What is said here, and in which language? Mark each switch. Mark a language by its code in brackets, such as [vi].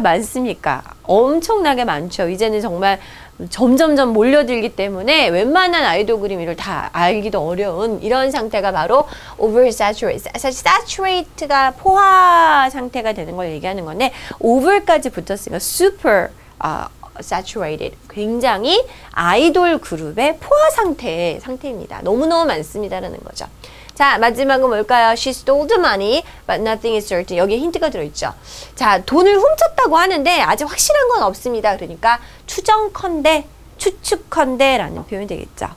[ko] 많습니까? 엄청나게 많죠. 이제는 정말 점점점 몰려들기 때문에 웬만한 아이돌 그룹을 다 알기도 어려운 이런 상태가 바로 oversaturate. 사실 saturate가 포화 상태가 되는 걸 얘기하는 건데 over까지 붙었으니까 [en] super saturated. [ko] 굉장히 아이돌 그룹의 포화 상태입니다. 너무너무 많습니다라는 거죠. 자, 마지막은 뭘까요? [en] She stole the money, but nothing is certain. [ko] 여기 힌트가 들어있죠. 자, 돈을 훔쳤다고 하는데 아직 확실한 건 없습니다. 그러니까 추정컨대, 추측컨대 라는 표현이 되겠죠.